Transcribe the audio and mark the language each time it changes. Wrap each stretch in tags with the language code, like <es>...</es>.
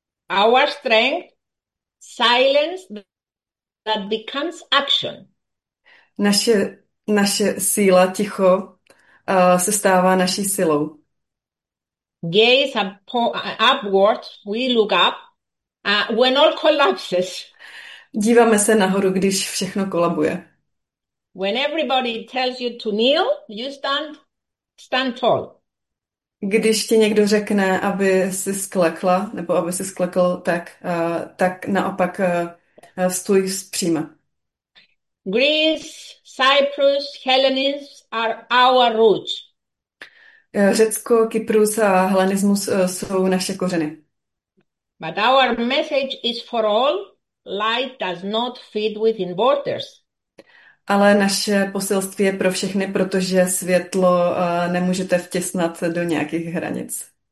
<en>Our strength, silence that becomes action.</en> <cs>Naše síla ticho se stává naší silou.</cs> <en>Gaze upward, we look up, when all collapses.</en> <cs>Díváme se nahoru, když všechno kolabuje.</cs> <en>When everybody tells you to kneel, you stand tall.</en> <cs>Když ti někdo řekne, aby si sklekla, nebo aby si sklekl, tak naopak stůj zpříma.</cs> <en>Greece, Cyprus, Hellenists are our roots.</en> <cs>Řecko, Kyprus a helenismus jsou naše kořeny.</cs> <en>But our message is for all. Light does not fit within borders.</en> <cs>Ale naše poselství je pro všechny, protože světlo nemůžete vtěsnat do nějakých hranic.</cs>